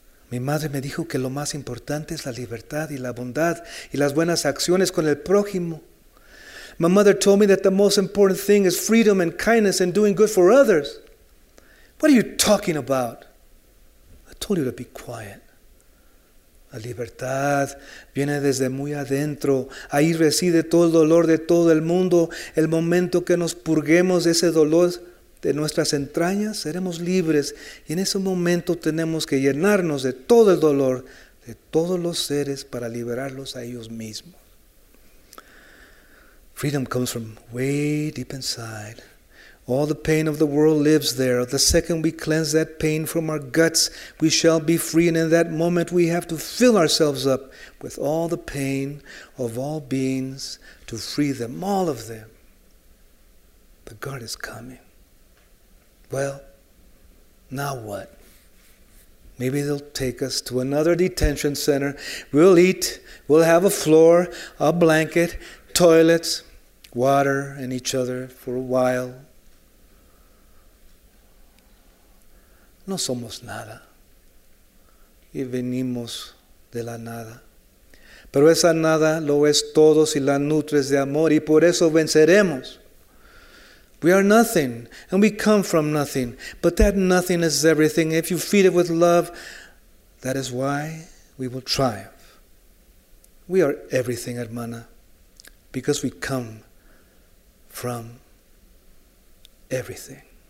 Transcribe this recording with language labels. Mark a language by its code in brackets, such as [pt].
[es] Mi madre me dijo que lo más importante es la libertad y la bondad y las buenas acciones con el prójimo. [en] My mother told me that the most important thing is freedom and kindness and doing good for others. What are you talking about? I told you to be quiet. [es] La libertad viene desde muy adentro. Ahí reside todo el dolor de todo el mundo. El momento que nos purguemos de ese dolor de nuestras entrañas, seremos libres. Y en ese momento tenemos que llenarnos de todo el dolor de todos los seres para liberarlos a ellos mismos. [en] Freedom comes from way deep inside. All the pain of the world lives there. The second we cleanse that pain from our guts, we shall be free. And in that moment, we have to fill ourselves up with all the pain of all beings to free them, all of them. The guard is coming. Well, now what? Maybe they'll take us to another detention center. We'll eat, we'll have a floor, a blanket, toilets, water, and each other for a while. [es] No somos nada. Y venimos de la nada. Pero esa nada lo es todo si la nutres de amor, y por eso venceremos. [en] We are nothing, and we come from nothing, but that nothing is everything. If you feed it with love, that is why we will triumph. We are everything, hermana, because we come from everything.